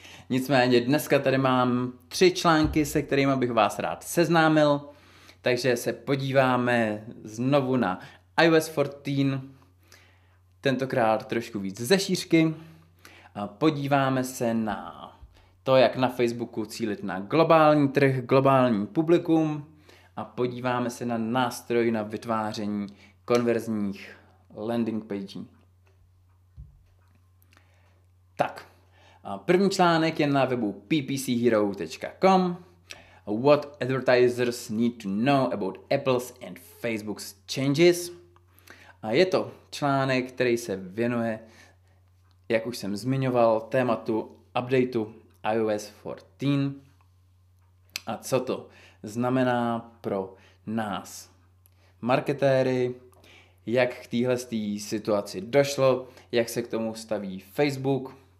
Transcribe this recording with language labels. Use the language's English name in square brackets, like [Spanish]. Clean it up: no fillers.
[Czech] Nicméně dneska tady mám tři články, se kterými bych vás rád seznámil, takže se podíváme znovu na iOS 14, tentokrát trošku víc ze šířky, a podíváme se na to, jak na Facebooku cílit na globální trh, globální publikum, a podíváme se na nástroj na vytváření konverzních landing pagí. Tak. První článek je na webu ppchero.com. [English] What advertisers need to know about Apple's and Facebook's changes. [Czech] A je to článek, který se věnuje, jak už jsem zmiňoval, tématu updateu iOS 14. A co to znamená pro nás, marketéry, jak k téhle situaci došlo, jak se k tomu staví Facebook.